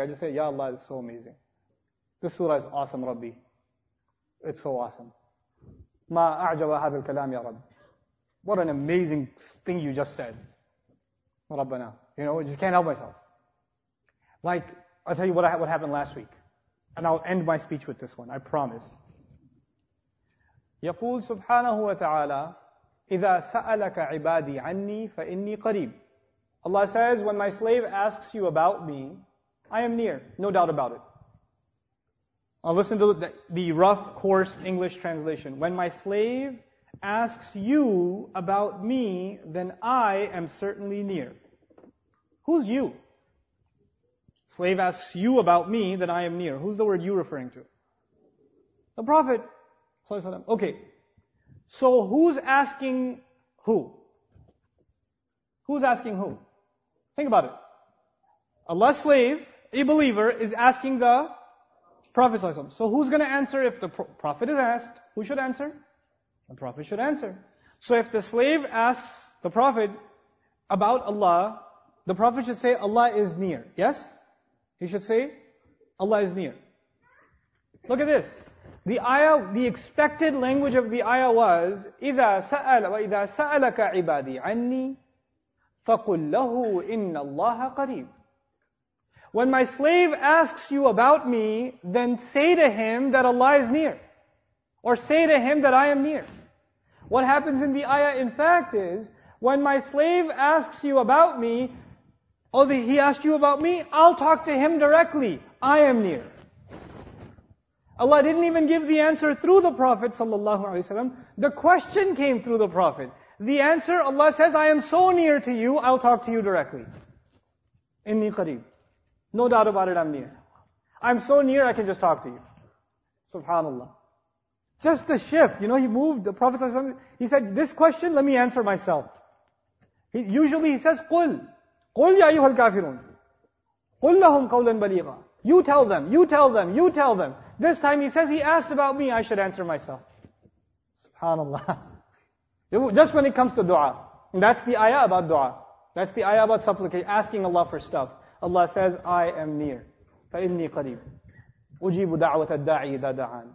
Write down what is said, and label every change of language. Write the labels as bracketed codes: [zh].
[en] I just say, Ya Allah, it's so amazing. This surah is awesome, Rabbi. It's so awesome. [ar] Ma a'jaba hadha al-kalam, Ya Rabbi. [en] What an amazing thing you just said. Rabbana. You know, I just can't help myself. Like, I'll tell you what happened last week. And I'll end my speech with this one, I promise. [ar] Yaqul subhanahu wa ta'ala, إِذَا سَأَلَكَ عِبَادِي عَنِّي فَإِنِّي قَرِيبٌ. [en] Allah says, when my slave asks you about me, I am near. No doubt about it. Now listen to the rough, coarse English translation. When my slave asks you about me, then I am certainly near. Who's you? Slave asks you about me, then I am near. Who's the word you referring to? The Prophet. Okay. So who's asking who? Who's asking who? Think about it. A less slave, a believer, is asking the Prophet. So who's going to answer if the Prophet is asked? Who should answer? The Prophet should answer. So if the slave asks the Prophet about Allah, the Prophet should say, Allah is near. Yes? He should say, Allah is near. Look at this. The ayah, the expected language of the ayah was, [ar] إِذَا سَأَلَ وَإِذَا سَأَلَكَ عِبَادِي عَنِّي فَقُلْ لَهُ إِنَّ اللَّهَ قَرِيبٌ. [en] When my slave asks you about me, then say to him that Allah is near. Or say to him that I am near. What happens in the ayah, in fact, is when my slave asks you about me, oh, he asked you about me, I'll talk to him directly. I am near. Allah didn't even give the answer through the Prophet ﷺ. The question came through the Prophet. The answer, Allah says, I am so near to you, I'll talk to you directly. [ar] Inni qareeb. [en] No doubt about it, I'm near. I'm so near, I can just talk to you. Subhanallah. Just the shift, you know, he moved, the Prophet ﷺ, he said, this question, let me answer myself. He says, [ar] قُلْ قُلْ يَا أَيُّهَا الْكَافِرُونَ قُلْ لَهُمْ قَوْلًا بَلِيغًا. [en] You tell them. This time he says, he asked about me, I should answer myself. SubhanAllah. Just when it comes to dua. That's the ayah about dua. That's the ayah about supplication, asking Allah for stuff. Allah says, I am near. [ar] فَإِنِّي قَرِيبٌ. أُجِيبُ دَعْوَةَ الدَّاعِي إِذَا دَعَانِ.